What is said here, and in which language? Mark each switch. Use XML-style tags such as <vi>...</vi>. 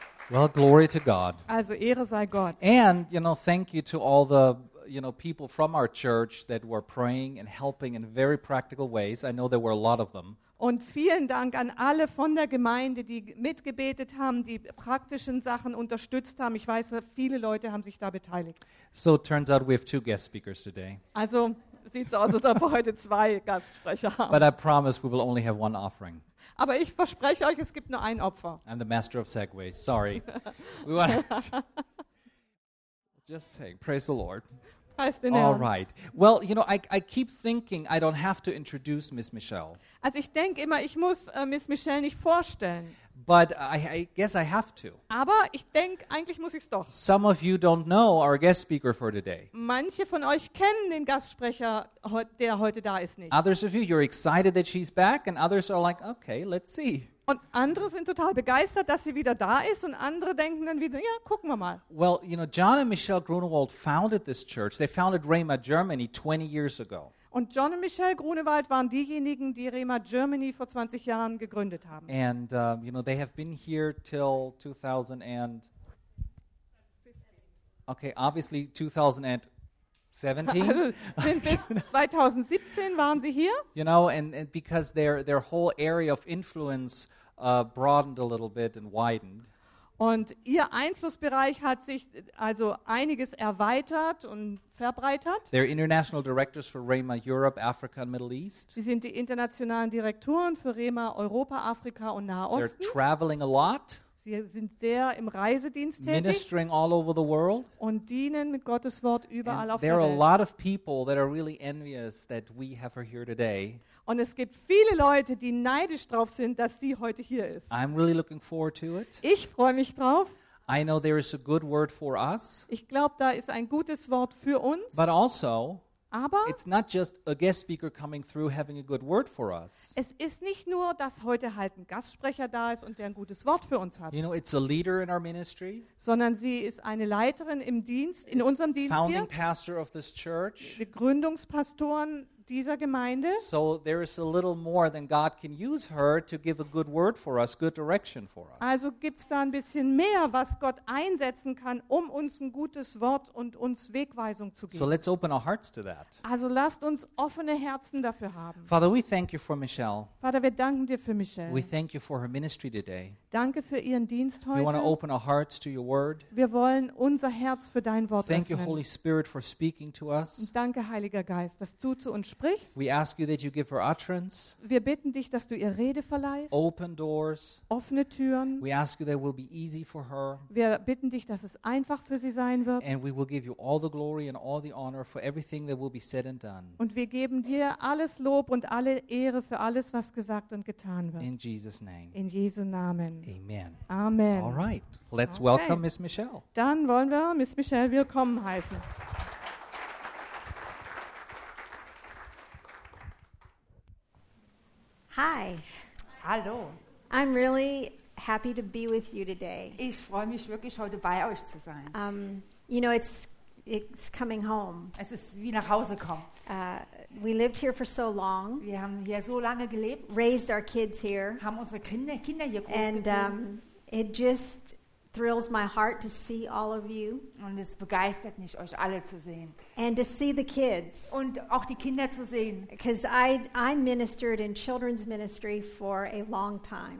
<en>Well, glory to God.</en> <de>Also, Ehre sei Gott.</de> <en>And, you know, thank you to all the, you know, people from our church that were praying and helping in very practical ways. I know there were a lot of them.</en> <de>Und vielen Dank an alle von der Gemeinde, die mitgebetet haben, die praktischen Sachen unterstützt haben. Ich weiß, viele Leute haben sich da beteiligt.</de> <en>So, it turns out we have 2 guest speakers today.</en> <de>Also, sieht so aus, als ob wir heute 2 Gastsprecher haben.</de> <en>But I promise we will only have 1 offering.</en> <de>Aber ich verspreche euch, es gibt nur 1 Opfer.</de> <en>I'm the master of segways. Sorry. We want to just saying, praise the Lord.</en> <de>Preist den</de> <en>All</en> <de>Herrn.</de> <en>Right. Well, you know, I keep thinking I don't have to introduce Miss Michelle.</en> <de>Also ich denke immer, ich muss Miss Michelle nicht vorstellen.</de> <en>But I guess I have to.</en> <de>Aber ich denke, eigentlich muss ich es doch.</de> <en>Some of you don't know our guest speaker for today.</en> <de>Manche von euch kennen den Gastsprecher, der heute da ist, nicht.</de> <en>Others of you, you're excited that she's back, and others are like, okay, let's see.</en> <de>Und andere sind total begeistert, dass sie wieder da ist, und andere denken dann wieder, ja, gucken wir mal.</de> <en>Well, you know, John and Michelle Grunewald founded this church. They founded Rhema Germany 20 years ago.</en> <de>Und John und Michelle Grunewald waren diejenigen, die Rhema Germany vor 20 Jahren gegründet haben.</de> <en>And you know, they have been here till 2000 and okay, obviously 2017.</en> <de>Also sind bis 2017 waren sie hier.</de> <en>You know, and because their whole area of influence broadened a little bit and widened.</en> <de>Und ihr Einflussbereich hat sich also einiges erweitert und verbreitert.</de> <en>They're international directors for Rhema Europe, Africa and Middle East.</en> <de>Sie sind die internationalen Direktoren für Rhema Europa, Afrika und Nahosten.</de> <en>They're traveling a lot.</en> <de>Sie sind sehr im Reisedienst tätig.</de> <en>Ministering all over the world.</en> <de>Und dienen mit Gottes Wort überall</de> <en>and</en> <de>auf</de> <en>there</en> <de>der</de> <en>are</en> <de>Welt.</de> <en>A lot of people that are really envious that we have her here today.</en> <de>Und es gibt viele Leute, die neidisch drauf sind, dass sie heute hier ist.</de> <en>I'm really looking forward to it.</en> <de>Ich freue mich drauf.</de> <en>I know there is a good word for us.</en> <de>Ich glaube, da ist ein gutes Wort für uns.</de> <en>But also,</en> <de>aber</de> <en>it's not just a guest speaker coming through having a good word for us.</en> <de>Es ist nicht nur, dass heute halt ein Gastsprecher da ist und der ein gutes Wort für uns hat.</de> <en>You know, it's a leader in our ministry.</en> <de>Sondern sie ist eine Leiterin im Dienst, in unserem Dienst</de> <en>founding</en> <de>hier.</de> <en>Founding pastor of this church.</en> <de>Die Gründungspastoren dieser Gemeinde.</de> <en>So there is a little more than God can use her to give a good word for us, good direction for us.</en> <de>Also gibt's da ein bisschen mehr, was Gott einsetzen kann, um uns ein gutes Wort und uns Wegweisung zu geben.</de> <en>So let's open our hearts to that.</en> <de>Also lasst uns offene Herzen dafür haben.</de> <en>Father, we thank you for Michelle.</en> <de>Vater, wir danken dir für Michelle.</de> <en>We thank you for her ministry today.</en> <de>Danke für ihren Dienst heute.</de> <en>We want to open our hearts to your word.</en> <de>Wir wollen unser Herz für dein Wort</de> <en>thank</en> <de>öffnen.</de> <en>Thank you, Holy Spirit, for speaking to us.</en> <de>Und danke, Heiliger Geist, dass du zu uns sprichst.</de> <en>We ask you that you give her utterance.</en> <de>Wir bitten dich, dass du ihr Rede verleihst.</de> <en>Open doors.</en> <de>Offene Türen.</de> <en>We ask you that it will be easy for her.</en> <de>Wir bitten dich, dass es einfach für sie sein wird.</de> <en>And we will give you all the glory and all the honor for everything that will be said and done.</en> <de>Und wir geben dir alles Lob und alle Ehre für alles, was gesagt und getan wird.</de> <en>In Jesus' name.</en> <de>In Jesu Namen.</de> <en>Amen.</en> <de>Amen.</de> <en>All right. Let's okay. Welcome Miss Michelle.</en> <de>Dann wollen wir Miss Michelle willkommen heißen.</de> <en>Hi.</en> <de>Hallo.</de> <en>I'm really happy to be with you today.</en> <de>Ich freue mich wirklich heute bei euch zu sein.</de> <en>You know, it's coming home.</en> <de>Es ist wie nach Hause kommen.</de> <en>We lived here for so long.</en> <de>Wir haben hier so lange gelebt.</de> <en>Raised our kids here.</en> <de>Haben unsere Kinder hier großgezogen.</de> <en>And it just thrills my heart to see all of you.</en> <de>Und es begeistert mich, euch alle zu sehen.</de> <en>And to see the kids.</en> <de>Und auch die Kinder zu sehen.</de> <en>Because I ministered in children's ministry for a long time.</en>